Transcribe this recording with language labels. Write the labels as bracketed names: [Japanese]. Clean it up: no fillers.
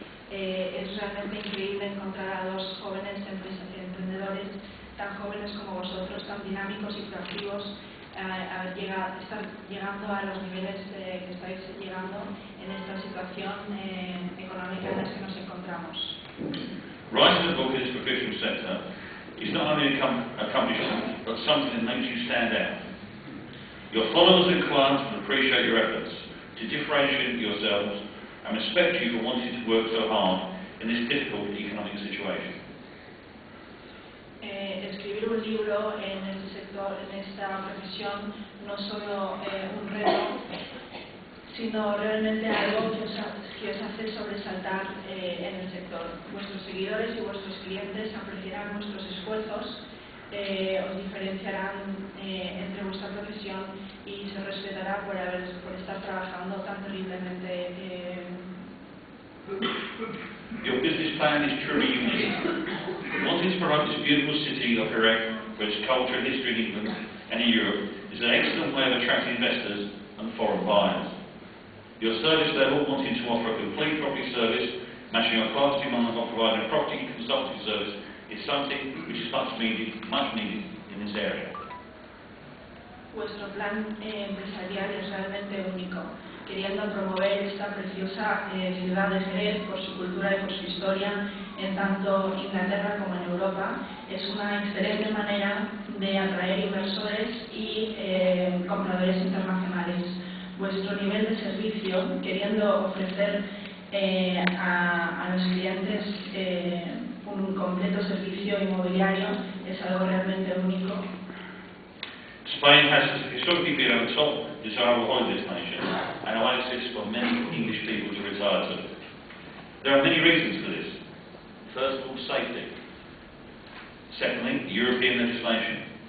[Spanish] Es realmente increíble encontrar a dos jóvenes emprendedores tan jóvenes como vosotros, tan dinámicos y proactivos. Estar llegando a los niveles que estáis llegando en esta situación económica en la que nos encontramos. [English] Writing a book in this professional sector is not only an accomplishment, but something that makes you stand out. Your followers and clients will appreciate your efforts to differentiate yourselves and respect you for wanting to work so hard in this difficult economic situation. [Spanish] Escribir un libro en este sector, en esta profesión, no solo un reto, sino realmente algo que os hace sobresaltar en el sector. Vuestros seguidores y vuestros clientes apreciarán vuestros esfuerzos, os diferenciarán entre vuestra profesión y se respetará por estar trabajando tan terriblemente. [English] Your business plan is truly unique. Wanting to promote this beautiful city of Erec for its culture and history in England and in Europe is an excellent way of attracting investors and foreign buyers. Your service level, wanting to offer a complete property service, matching your clients' demand of providing a property consulting service, is something which is much needed in this area. [Spanish] Vuestro plan empresarial es realmente único, queriendo promover esta preciosa ciudad de Jerez por su cultura y por su historia en tanto Inglaterra como en Europa. Es una excelente manera de atraer inversores y compradores internacionales. Vuestro nivel de servicio, queriendo ofrecer a los clientes un completo servicio inmobiliario, es algo realmente único. [English] Spain has historically been a top desirable holiday destination, an oasis for many English people to retire to. There are many reasons for this. First of all, safety. Secondly, European legislation.